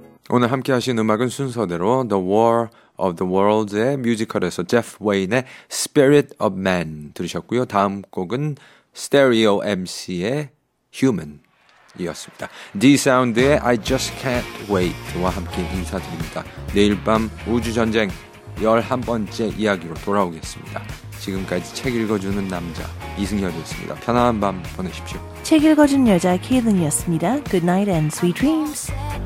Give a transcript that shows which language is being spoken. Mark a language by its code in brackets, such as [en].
[ko] 오늘 함께 하신 음악은 순서대로 The War of the Worlds의 뮤지컬에서 제프 웨인의 Spirit of Man 들으셨고요. 다음 곡은 Stereo MC의 Human이었습니다. D-Sound의 I Just Can't Wait와 함께 인사드립니다. 내일 밤 우주전쟁 11번째 이야기로 돌아오겠습니다. 지금까지 책 읽어주는 남자 이승열이었습니다. 편안한 밤 보내십시오. 책 읽어주는 여자 케이든이었습니다. [en] Good night and sweet dreams.